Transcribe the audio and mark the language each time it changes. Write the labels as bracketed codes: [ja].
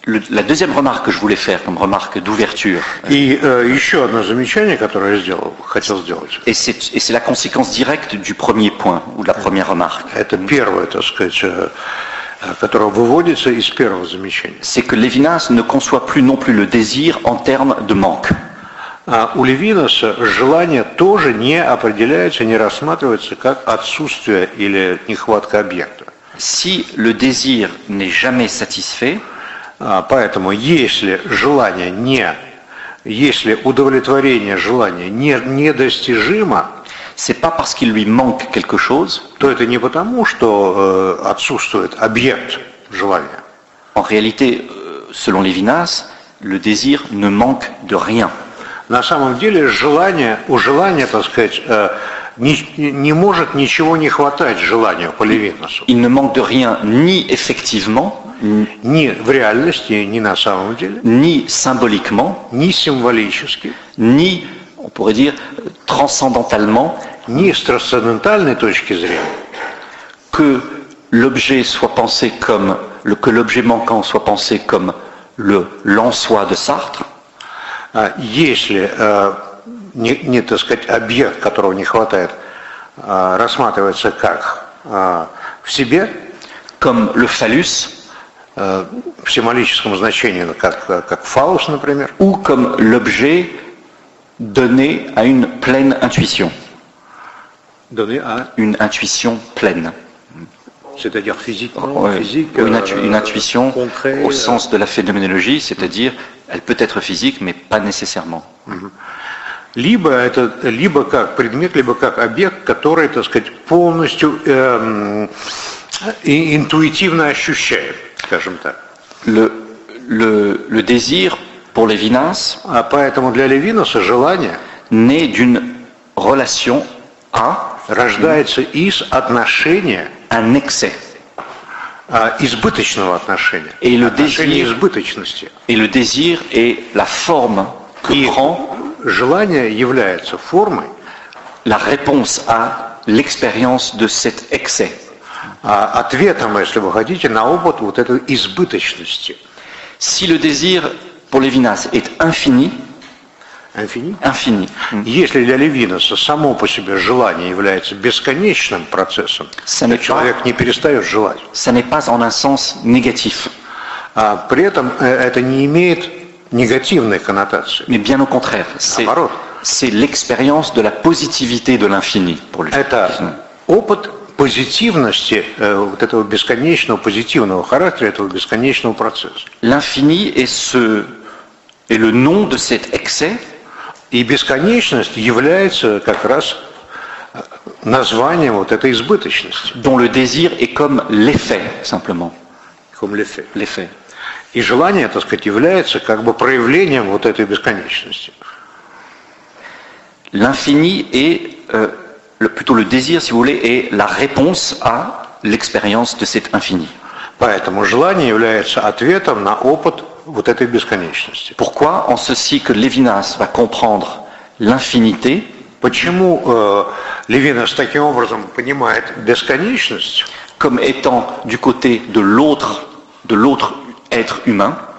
[fr] La deuxième remarque que je voulais faire comme remarque d'ouverture. [ru] И еще одно замечание, которое я хотел сделать. [fr] Et c'est la conséquence directe du premier point, ou de la première remarque. [ru] Это первое, так сказать, которое выводится из первого замечания. [fr] C'est que Levinas ne conçoit plus non plus le désir en termes de manque. [ru] У Левинаса желание тоже не определяется, не рассматривается как отсутствие или нехватка объекта. [fr] Si le désir n'est jamais satisfait, [ru] поэтому если удовлетворение желания недостижимо, [fr] c'est pas parce qu'il lui manque quelque chose, [ru] то это не потому, что отсутствует объект желания. [fr] En réalité, selon Levinas, le désir ne manque de rien. [ru] На самом деле желание, у желания, так сказать, не может ничего не хватать желанию по Левинасу. [fr] Il ne manque de rien ni effectivement, [ru] ни в реальности, ни на самом деле, ни [fr] symboliquement, [ru] ни символически, ни, [fr] on pourrait dire, transcendantalement, [ru] ни с трансцендентальной точки зрения, [fr] que l'objet soit pensé comme, que l'objet manquant soit pensé comme l'en-soi de Sartre. [ru] Если не так сказать, объект, которого не хватает, рассматривается как в себе, [fr] comme le phallus, [ru] в символическом значении, как фаллус, например, [fr] ou comme l'objet donné à une pleine intuition. Donné à une intuition pleine. c'est-à-dire physiquement, physique, une intuition concrète, au sens de la phénoménologie, c'est-à-dire elle peut être physique, mais pas nécessairement. [ru] Либо это либо как предмет, либо как объект, который, так сказать, полностью интуитивно ощущает, скажем так. [fr] Le désir pour Levinas. [ru] А поэтому для Левинаса желание [fr] né d'une relation à, [ru] рождается из отношения [fr] un excès. [ru] Избыточного отношения. [fr] Et le désir, [ru] избыточности. [fr] Et le désir est la forme que [ru] и [fr] prend [ru] желание является формой [fr] la réponse à l'expérience de cet excès. [ru] Ответом, если вы хотите, на опыт вот этой избыточности. [fr] Si le désir pour Levinas est infini, infini. [ru] Если для Левинаса само по себе желание является бесконечным процессом, человек не перестает желать. [fr] Ça n'est pas en un sens négatif. [ru] При этом это не имеет [fr] négative connotation. Mais bien au contraire, c'est l'expérience de la positivité de l'infini pour lui. [ru] Это опыт позитивности вот этого бесконечного позитивного характера этого бесконечного процесса. [fr] L'infini est ce est le nom de cet excès. И бесконечность является как раз названием вот этой избыточности. Dont le désir est comme l'effet simplement. Comme l'effet. L'effet. [ru] И желание, так сказать, является как бы проявлением вот этой бесконечности. [fr] L'infini est, plutôt le désir, si vous voulez, est la réponse à l'expérience de cet infini. [ru] Поэтому желание является ответом на опыт вот этой бесконечности. [fr] Pourquoi en ceci que Levinas va comprendre l'infinité? [ru] Почему Левинас таким образом понимает бесконечность? [fr] Comme étant du côté de l'autre être humain,